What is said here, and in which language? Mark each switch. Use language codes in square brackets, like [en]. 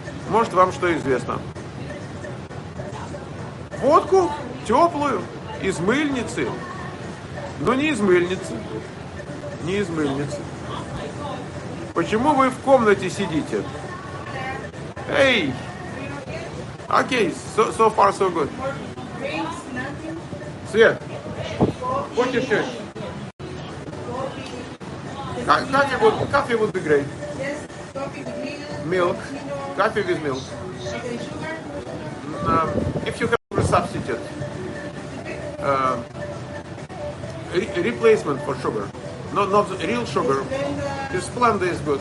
[ru] Может, вам что известно. Водку теплую из мыльницы. Но не из мыльницы. Не из мыльницы. Почему вы в комнате сидите? Эй! [en] Окей, so far, so good. [ru] Свет, хочешь еще? Кофе будет [en] great. Milk. coffee with milk. If you have a substitute, replacement for sugar, not real sugar, the Splenda is good.